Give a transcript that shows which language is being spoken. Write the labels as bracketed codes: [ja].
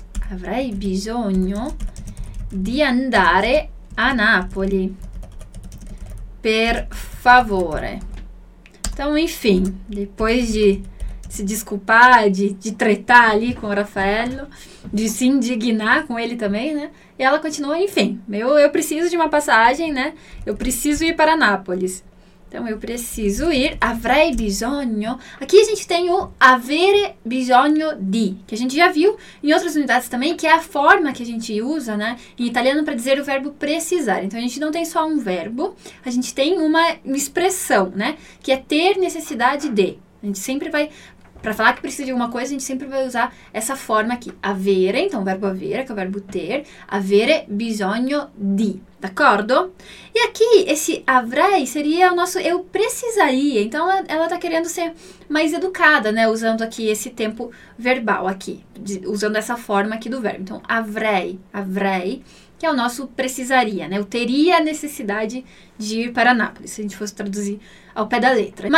[it] Avrei bisogno di andare a Napoli, per favore. [pt] Então, enfim, depois de se desculpar, de tretar ali com o Raffaello, de se indignar com ele também, né? E ela continua, enfim, eu preciso de uma passagem, né? Eu preciso ir para Nápoles. Então, eu preciso ir, avrei bisogno. Aqui a gente tem o avere bisogno di, que a gente já viu em outras unidades também, que é a forma que a gente usa, né, em italiano para dizer o verbo precisar. Então, a gente não tem só um verbo, a gente tem uma expressão, né, que é ter necessidade de. A gente sempre vai, para falar que precisa de alguma coisa, a gente sempre vai usar essa forma aqui. Avere, então o verbo avere, que é o verbo ter. [it] Avere bisogno di, d'accordo? [pt] E aqui, esse avrei seria o nosso eu precisaria. Então, ela tá querendo ser mais educada, né? Usando aqui esse tempo verbal aqui. Usando essa forma aqui do verbo. Então, avrei, que é o nosso precisaria, né? Eu teria necessidade de ir para Nápoles, se a gente fosse traduzir ao pé da letra.